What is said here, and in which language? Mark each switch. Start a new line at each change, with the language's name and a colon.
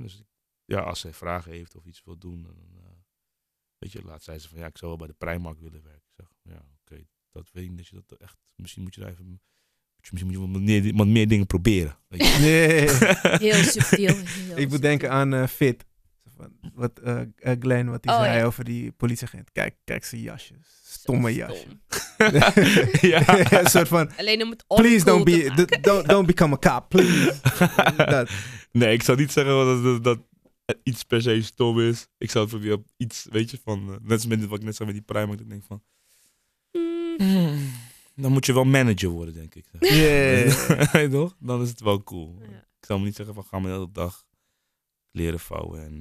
Dutch: Dus ja, als zij vragen heeft of iets wil doen, dan... Weet je, laat zei ze van, ja, ik zou wel bij de Primark willen werken. Ik zeg, ja, oké, dat weet ik niet, dat je dat echt... Misschien moet je daar even... Misschien moet je wat meer dingen proberen. Weet je. Nee. Heel subtiel. Ik moet denken aan Fit. Wat, Glenn, wat hij zei over die politieagent. Kijk zijn jasje. Stomme jasje. Ja. Een soort van... Alleen om het
English: on-cool please don't be don't become a cop, please.
Dutch: Nee, ik zou niet zeggen dat iets per se stom is. Ik zou het proberen op iets, weet je, van... Net zoals wat ik net zei met die Primark, ik denk van... Dan moet je wel manager worden, denk ik.
English: Yeah.
Dutch: Toch? Dan is het wel cool. Ja. Ik zou me niet zeggen van, ga maar de hele dag leren vouwen.